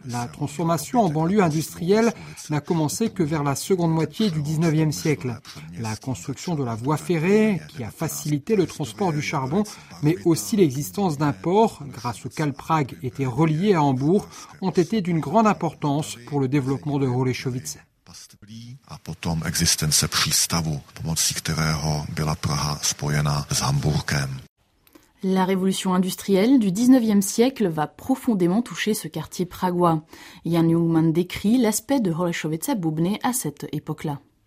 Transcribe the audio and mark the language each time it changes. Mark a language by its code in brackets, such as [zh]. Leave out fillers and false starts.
[fr] La transformation en banlieue industrielle n'a commencé que vers la seconde moitié du 19e siècle. La construction de la voie ferrée, qui a facilité le transport du charbon, mais aussi l'existence d'un port, grâce auquel Prague était reliée à Hambourg, ont été d'une grande importance pour le développement de Holešovice. [cs] A potom existence přístavu, pomocí kterého byla Praha spojena s Hamburgem. [fr] La révolution industrielle du 19e siècle va profondément toucher ce quartier pragois. Jan Jungmann décrit l'aspect de Holešovice-Bubny à cette époque-là.